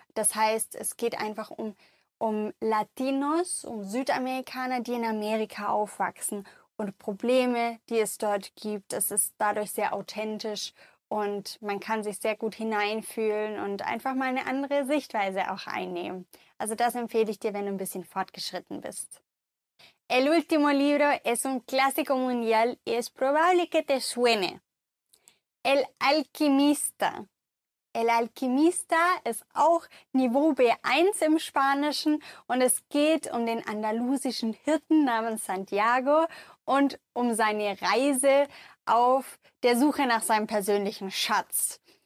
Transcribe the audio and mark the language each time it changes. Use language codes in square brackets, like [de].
[de] Das heißt, es geht einfach um Latinos, um Südamerikaner, die in Amerika aufwachsen und Probleme, die es dort gibt. Es ist dadurch sehr authentisch und man kann sich sehr gut hineinfühlen und einfach mal eine andere Sichtweise auch einnehmen. Also das empfehle ich dir, wenn du ein bisschen fortgeschritten bist. [es] El último libro es un clásico mundial y es probable que te suene. El Alquimista. [de] El Alquimista ist auch Niveau B1 im Spanischen und es geht um den andalusischen Hirten namens Santiago und um seine Reise auf der Suche nach seinem persönlichen Schatz.